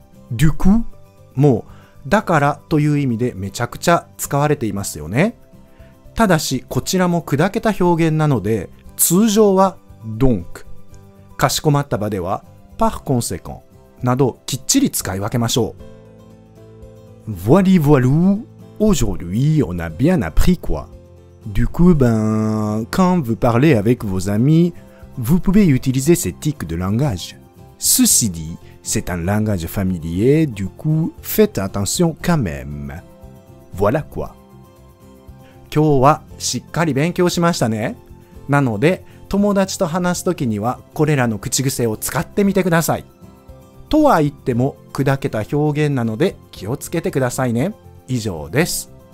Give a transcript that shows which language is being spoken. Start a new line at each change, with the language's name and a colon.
Japanese: du coup もだからという意味でめちゃくちゃ使われていますよね。ただしこちらも砕けた表現なので、通常は donc、 かしこまった場では par conséquent などきっちり使い分けましょう。
French: voilà voilà aujourd'hui on a bien appris quoi du coup ben quand vous parlez avec vos amis vous pouvez utiliser ces tics de langage ceci ditC'est un langage familier, du coup, faites attention quand même. Voilà quoi.
Japanese: 今日はしっかり勉強しましたね。なので友達と話すときにはこれらの口癖を使ってみてください。とは言っても砕けた表現なので気をつけてくださいね。以上です。